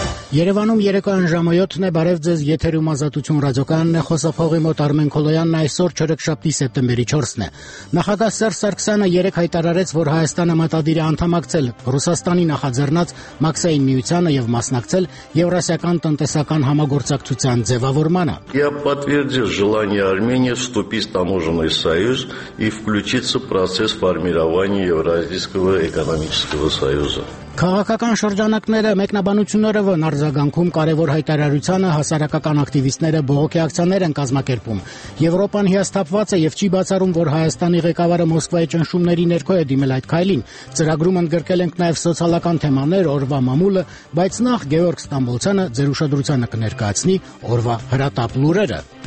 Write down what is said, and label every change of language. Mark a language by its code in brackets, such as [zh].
[hy] Երևանում երեկո այն ժամը 7-ն է, բարև ձեզ, եթերում ազատություն ռադիոկանն է, խոսափողի մոտ Արմեն Քոլոյանն, այսօր չորեքշաբթի սեպտեմբերի 4-ն է։ Նախագահ Սերժ Սարգսյանը երեկ հայտարարեց, որ Հայաստանը մտադիր է անդամակցել Ռուսաստանի նախաձեռնած Մաքսային միությանը եւ մասնակցել Եվրասիական տնտեսական համագործակցության ձևավորմանը։ [ru] Я подтвердил желание Армении вступить в таможенный союз и включиться в процесс формирования Евразийского экономического союза. [hy] Քաղաքական շրջանակները, մեկնաբանությունները ըն արձագանքում կարևոր հայտարարությանը հասարակական ակտիվիստները բողոքի ակցիաներ են կազմակերպում։ Եվրոպան հիասթափված է եւ չի բացառում, որ Հայաստանի ղեկավարը Մոսկվայի ճնշումների ներքո է դիմել այդ քայլին։ Ծրագրում ընդգրկել ենք նաեւ սոցիալական թեմաներ՝ օրվա մամուլը, բայց նախ Գեորգ Ստամբոլցյանը ձեր ուշադրությանը կներկայացնի օրվա հրատապ լուրերը։